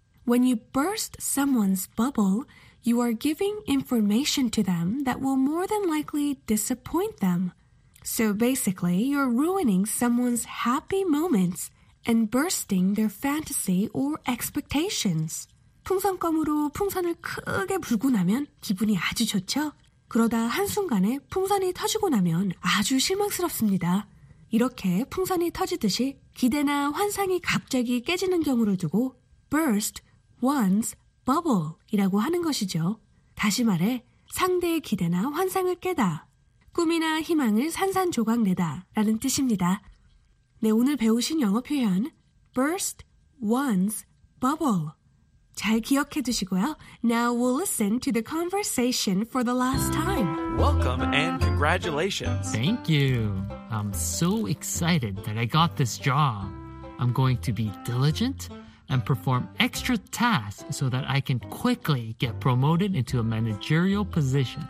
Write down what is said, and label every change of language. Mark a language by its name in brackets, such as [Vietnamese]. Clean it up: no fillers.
[English] When you burst someone's bubble, you are giving information to them that will more than likely disappoint them. So basically, you're ruining someone's happy moments and bursting their fantasy or expectations. [Korean] 풍선껌으로 풍선을 크게 불고 나면 기분이 아주 좋죠? 그러다 한순간에 풍선이 터지고 나면 아주 실망스럽습니다. 이렇게 풍선이 터지듯이 기대나 환상이 갑자기 깨지는 경우를 두고 [English] burst one's bubble [Korean] 이라고 하는 것이죠. 다시 말해 상대의 기대나 환상을 깨다, 꿈이나 희망을 산산조각내다 라는 뜻입니다. 네, 오늘 배우신 영어 표현 [English] burst one's bubble [Korean] 잘 기억해 두시고요. [English] Now we'll listen to the conversation for the last time. Welcome and congratulations. Thank you. I'm so excited that I got this job. I'm going to be diligent and perform extra tasks so that I can quickly get promoted into a managerial position.